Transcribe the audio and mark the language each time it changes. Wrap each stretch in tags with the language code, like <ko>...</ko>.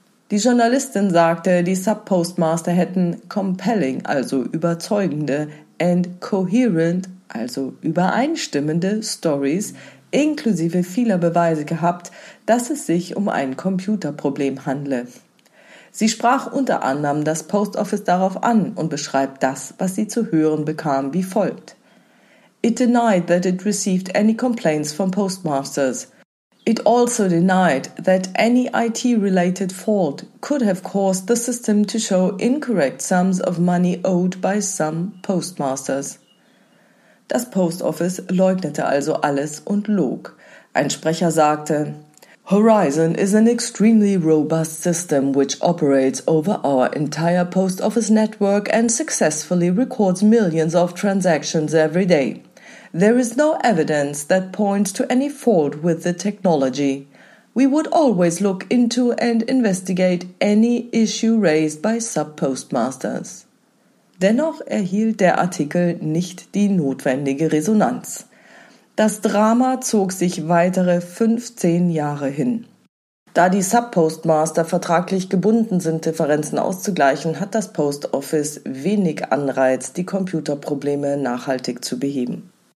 <de>Die Journalistin sagte, die Sub-Postmaster hätten</de> <en>compelling,</en> <de>also überzeugende,</de> <en>and coherent,</en> <de>also übereinstimmende Stories, inklusive vieler Beweise gehabt, dass es sich um ein Computerproblem handle. Sie sprach unter anderem das Post Office darauf an und beschreibt das, was sie zu hören bekam, wie folgt.</de> <en>It denied that it received any complaints from postmasters. It also denied that any IT-related fault could have caused the system to show incorrect sums of money owed by some postmasters.</en> <de>Das Post Office leugnete also alles und log. Ein Sprecher sagte,</de> <en>Horizon is an extremely robust system which operates over our entire post office network and successfully records millions of transactions every day. There is no evidence that points to any fault with the technology. We would always look into and investigate any issue raised by sub-postmasters.</en> <de>Dennoch erhielt der Artikel nicht die notwendige Resonanz. Das Drama zog sich weitere 15 Jahre hin. Da die Sub-Postmaster vertraglich gebunden sind, Differenzen auszugleichen, hat das Post Office wenig Anreiz, die Computerprobleme nachhaltig zu beheben.</de>